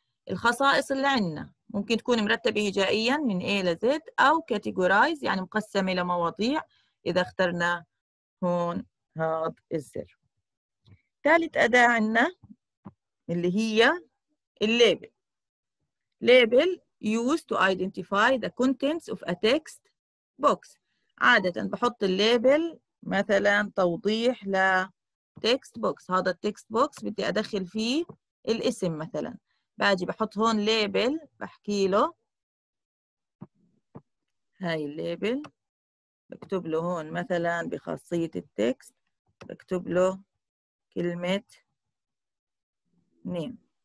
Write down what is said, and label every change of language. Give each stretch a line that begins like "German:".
Arabic: الخصائص اللي عندنا ممكن تكون مرتبة هجائيا من A ل Z، أو categorize يعني مقسمة لمواضيع إذا اخترنا هون هذا الزر. ثالث أداة عندنا اللي هي الليبل.
English: Label used to identify the contents of a text box.
Arabic: عادة بحط الليبل مثلا توضيح ل text box، هذا text box بدي أدخل فيه الاسم مثلا. باجي بحط هون ليبل بحكي له هاي الليبل، بكتب له هون مثلا بخاصية التكست بكتب له كلمة نيم.